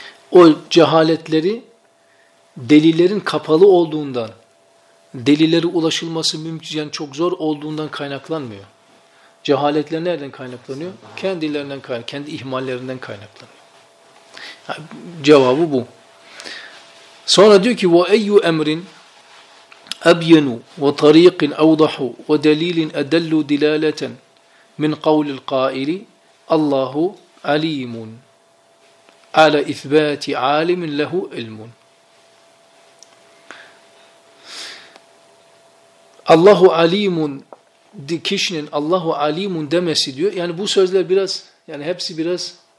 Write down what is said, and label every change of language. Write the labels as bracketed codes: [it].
[tr] O cehaletleri delillerin kapalı olduğundan, delillere ulaşılması mümkün, yani çok zor olduğundan kaynaklanmıyor. Cehaletler nereden kaynaklanıyor? Kendilerinden kaynaklanıyor, kendi ihmallerinden kaynaklanıyor. Yani cevabı bu. Sonra diyor ki, [ar] وَاَيُّ اَمْرٍ اَبْيَنُ وَطَرِيقٍ اَوْضَحُ وَدَلِيلٍ اَدَلُّ دِلَالَةً مِنْ قَوْلِ الْقَائِلِ اللّٰهُ عَلِيمٌ عَلَى اِثْبَاتِ عَالِمٍ لَهُ اِلْمٌ. Allahu alimun, [tr] kişinin [ar] Allahu alimun [tr] demesi diyor. Yani bu sözler biraz, yani hepsi biraz.